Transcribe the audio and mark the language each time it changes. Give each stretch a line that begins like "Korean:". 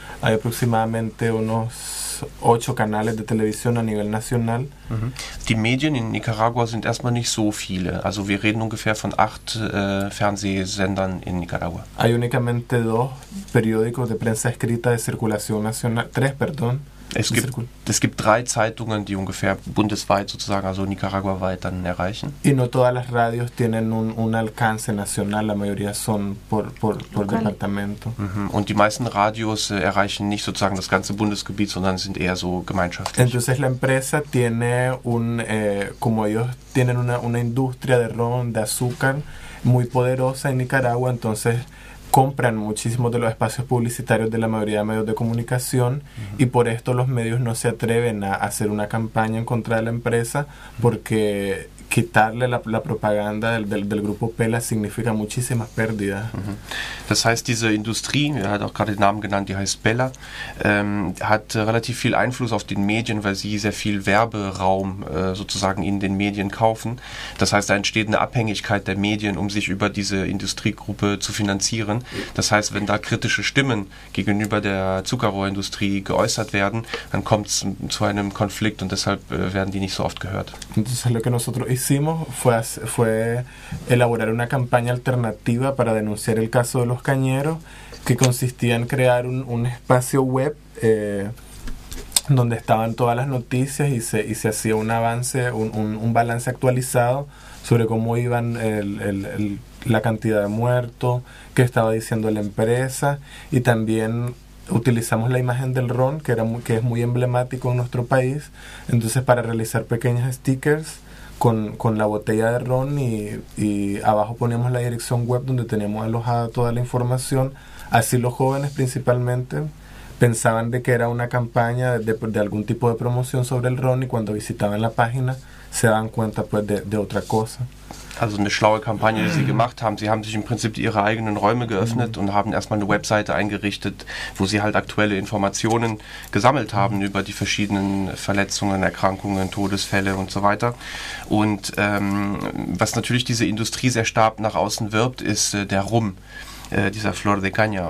Spanish: Hay aproximadamente unos 8 canales de televisión a nivel nacional.
German: Die Medien in Nicaragua sind erstmal nicht so viele. Also wir reden ungefähr von 8 Fernsehsendern in Nicaragua.
Spanish: Hay únicamente 2 periódicos de prensa escrita de circulación nacional, 3, perdón.
German: Es gibt drei Zeitungen, die ungefähr bundesweit sozusagen, also Nicaragua-weit dann erreichen.
Spanish: Y no todas las radios tienen un alcance nacional, la mayoría son por departamento. Mm-hmm.
German: Und die meisten Radios erreichen nicht sozusagen das ganze Bundesgebiet, sondern sind eher so gemeinschaftlich.
Spanish: Entonces la empresa tiene como ellos tienen una industria de ron, de azúcar, muy poderosa en Nicaragua, entonces compran muchísimos de los espacios publicitarios de la mayoría de medios de comunicación uh-huh. y por esto los medios no se atreven a hacer una campaña en contra de la empresa porque quitarle la propaganda del grupo Pela significa muchísimas pérdidas. Uh-huh.
German: Das heißt, diese Industrie, er hat auch gerade den Namen genannt, die heißt Pela, hat relativ viel Einfluss auf den Medien, weil sie sehr viel Werberaum sozusagen in den Medien kaufen. Das heißt, da entsteht eine Abhängigkeit der Medien, um sich über diese Industriegruppe zu finanzieren. Das heißt, wenn da kritische Stimmen gegenüber der Zuckerrohrindustrie geäußert werden, dann kommt es zu einem Konflikt und deshalb werden die nicht so oft gehört. Das ist, was wir
Spanish: hicimos fue elaborar una campaña alternativa para denunciar el caso de los cañeros, que consistía en crear un espacio web donde estaban todas las noticias y se hacía un avance, un balance actualizado sobre cómo iban la cantidad de muertos, qué estaba diciendo la empresa, y también utilizamos la imagen del ron, que es muy emblemático en nuestro país, entonces para realizar pequeños stickers con la botella de ron y abajo poníamos la dirección web donde teníamos alojada toda la información. Así los jóvenes principalmente pensaban de que era una campaña de algún tipo de promoción sobre el ron y cuando visitaban la página se daban cuenta pues de otra cosa.
German: Also eine schlaue Kampagne, die sie gemacht haben. Sie haben sich im Prinzip ihre eigenen Räume geöffnet und haben erstmal eine Webseite eingerichtet, wo sie halt aktuelle Informationen gesammelt haben über die verschiedenen Verletzungen, Erkrankungen, Todesfälle und so weiter. Und was natürlich diese Industrie sehr stark nach außen wirbt, ist der Rum. Dieser Flor de Caña.